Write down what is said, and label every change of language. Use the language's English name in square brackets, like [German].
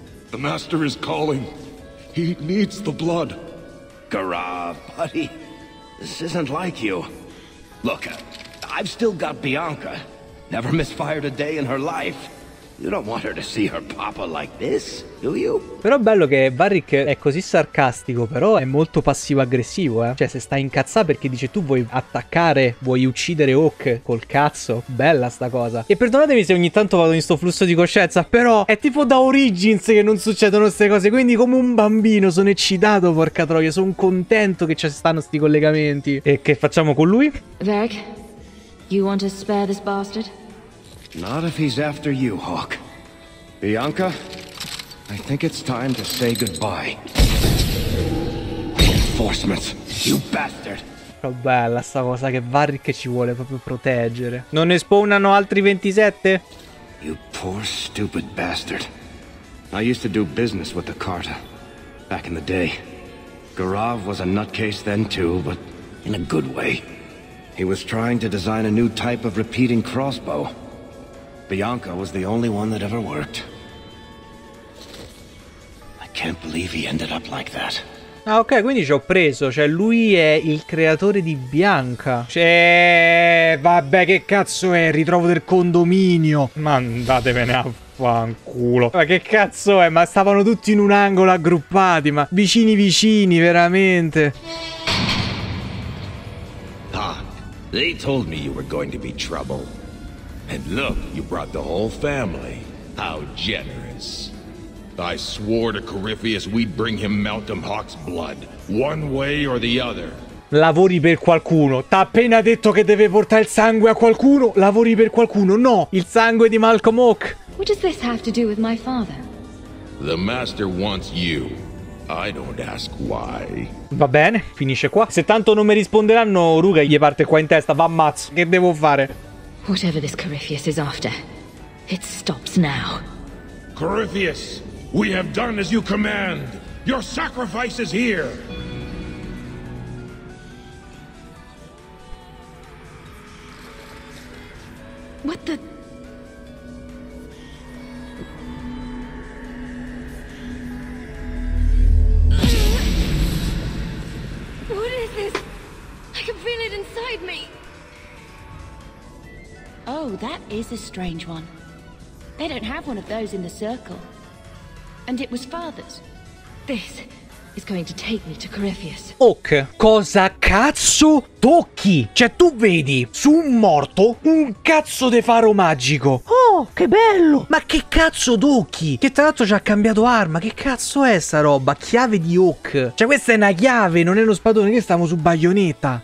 [English] The master is calling. He needs the blood. Garav, buddy, this isn't like you. Look, I've still got Bianca. Never misfired a day in her life. You don't want her to see her papa like this, do you? [Italian] Però è bello che Varric è così sarcastico, però è molto passivo-aggressivo, eh. Cioè, se sta incazzato perché dice tu vuoi attaccare, vuoi uccidere Hawk col cazzo. Bella sta cosa. E perdonatemi se ogni tanto vado in sto flusso di coscienza, però è tipo da Origins che non succedono queste cose. Quindi come un bambino sono eccitato, porca troia. Sono contento che ci stanno sti collegamenti. E che facciamo con lui? [English] Varric, you want to spare this bastard? Not if he's after you, Hawk. Bianca, I think it's time to say goodbye. Reinforcements, you bastard! [Italian] Che bella sta cosa che Varric ci vuole proprio proteggere. Non ne spawnano altri 27? [English] You poor stupid bastard. I used to do business with the Carta, back in the day. Garav was a nutcase then too, but in a good way. He was trying to design a new type of repeating crossbow. Bianca was the only one that ever worked. I can't believe he ended up like that. [Italian] Ah ok, quindi ci ho preso. Cioè lui è il creatore di Bianca. Cioè vabbè, che cazzo è? Ritrovo del condominio. Mandatevene a fanculo. Ma che cazzo è? Ma stavano tutti in un angolo aggruppati. Ma vicini vicini, veramente. [English] Ah, they told me you were going to be trouble. And look, you brought the whole family. How generous. I swore to Corypheus we'd bring him Malcolm Hawk's blood, one way or the other. [Italian] Lavori per qualcuno. T'ha appena detto che deve portare il sangue a qualcuno. Lavori per qualcuno. No, il sangue di Malcolm Hawk. [English] What does this have to do with my father? The master wants you. I don't ask why. [Italian] Va bene, finisce qua. Se tanto non mi risponderanno, Ruga gli parte qua in testa. Va ammazzo. Che devo fare? [English] Whatever this Corypheus is after, it stops now. Corypheus, we have done as you command. Your sacrifice is here. What the... What is this? I can feel it inside me. Oh, that is a strange one. They don't have one of those in the circle. And it was father's. This is going to take me to Corypheus. [Italian] Ok, cosa cazzo tocchi? Cioè, tu vedi su un morto un cazzo de faro magico. Oh, che bello! Ma che cazzo d'occhi? Che tra l'altro ci ha cambiato arma. Che cazzo è sta roba? Chiave di Hawk. Cioè, questa è una chiave, non è uno spadone. Che stiamo su baionetta.